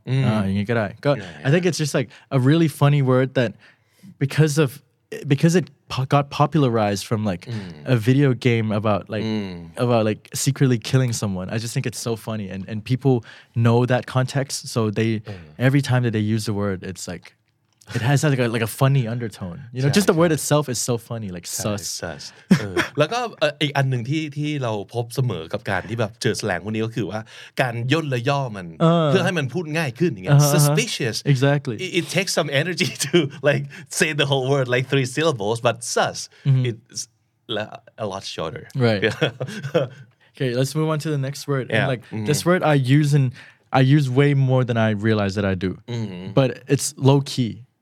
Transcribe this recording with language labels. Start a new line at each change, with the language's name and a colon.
English: I think it's just like a really funny word that because it got popularized from like a video game about secretly killing someone. I just think it's so funny and people know that context. So they every time that they use the word, it's like it has like a funny undertone. You know, just the word itself is so funny, like sus. Sus.
Thai: แล้วก็อีกอันนึงที่เราพบเสมอกับการที่แบบเจอแสลงพวกนี้ก็คือว่าการย่นและย่อมันเพื่อให้มันพูดง่ายขึ้นอย่างเงี้ย suspicious.
English: Exactly. It takes some energy to like say the whole word like three syllables, but sus it's a lot shorter. Right. Okay, let's move on to the next word. Yeah. And like this word I use way more than I realize that I do, but it's low key.